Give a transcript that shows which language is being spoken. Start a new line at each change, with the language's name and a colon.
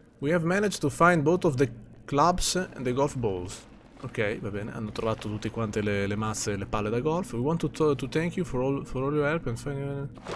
English: We have managed to find both of the clubs and the golf balls.
Italian: Ok, va bene. Hanno trovato tutte quante le mazze e le palle da golf.
English: We want to thank you for all your help and find...